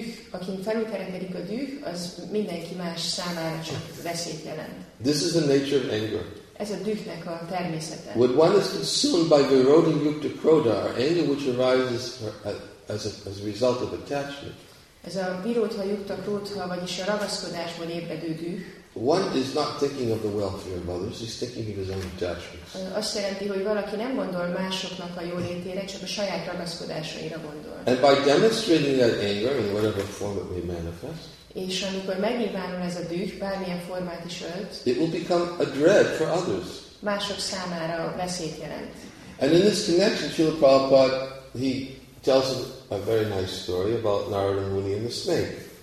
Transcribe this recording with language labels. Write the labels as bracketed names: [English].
[Hungarian] Akin felülkerekedik a düh, az mindenki más számára csak veszélyt jelent. [English] This is the nature of anger. [Hungarian] Ez a dühnek a természete. [English] When one is consumed by virodha yukta krodha, or anger which arises as a result of attachment, [Hungarian] ez a virodha yukta krodha, vagyis a ragaszkodásból ébredő düh. [English] One is not thinking of the welfare of others, he's thinking of his own attachments. [Hungarian] Azt jelenti, hogy valaki nem gondol másoknak a jólétére, csak a saját ragaszkodásaira gondol. [English] And by demonstrating that anger in whatever form it may manifest, [Hungarian] és amikor megnyilvánul ez a düh, bármilyen formát is ölt, [English] it will become a dread for others. [Hungarian] Mások számára veszélyt jelent. [English] And in this connection, Srila Prabhupada, he tells a very nice story about Narada Muni and the snake.